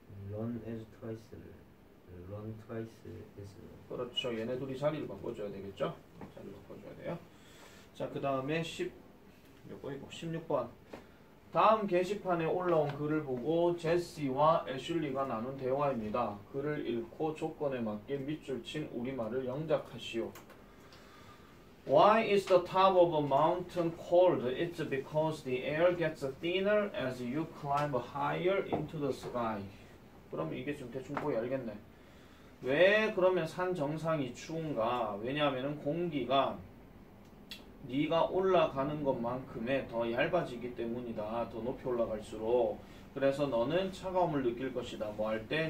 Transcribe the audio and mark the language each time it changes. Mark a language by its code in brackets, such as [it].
[en] Run as twice를 run twice as [ko] 그렇죠. 얘네 둘이 자리를 바꿔줘야 되겠죠? 자리를 바꿔줘야 돼요. 자, 그 다음에 10, 몇 번이고? 16번. 다음 게시판에 올라온 글을 보고 제시와 애슐리가 나눈 대화입니다. 글을 읽고 조건에 맞게 밑줄 친 우리말을 영작하시오. [en] Why is the top of a mountain cold? It's because the air gets thinner as you climb higher into the sky. [ko] 그러면 이게 지금 대충 보여 알겠네. 왜 그러면 산 정상이 추운가? 왜냐하면 공기가 네가 올라가는 것만큼의 더 얇아지기 때문이다. 더 높이 올라갈수록. 그래서 너는 차가움을 느낄 것이다. 뭐할 때?